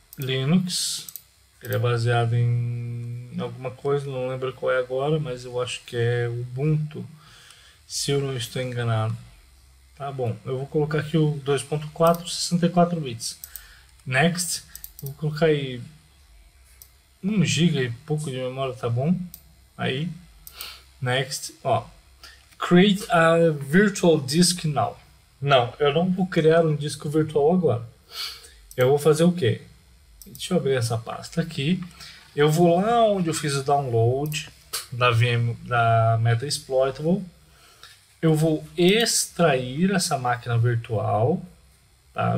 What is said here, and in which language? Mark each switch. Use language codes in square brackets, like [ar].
[pt] Linux, ele é baseado em alguma coisa, não lembro qual é agora, mas eu acho que é Ubuntu, se eu não estou enganado. Tá bom, eu vou colocar aqui o 2.4, 64 bits. Next, eu vou colocar aí 1 GB e pouco de memória, tá bom? Aí, next, ó. [en] Create a virtual disk now. [pt] Não, eu não vou criar um disco virtual agora. Eu vou fazer o quê? Deixa eu abrir essa pasta aqui. Eu vou lá onde eu fiz o download da VM, da Meta Exploitable. Eu vou extrair essa máquina virtual. Tá?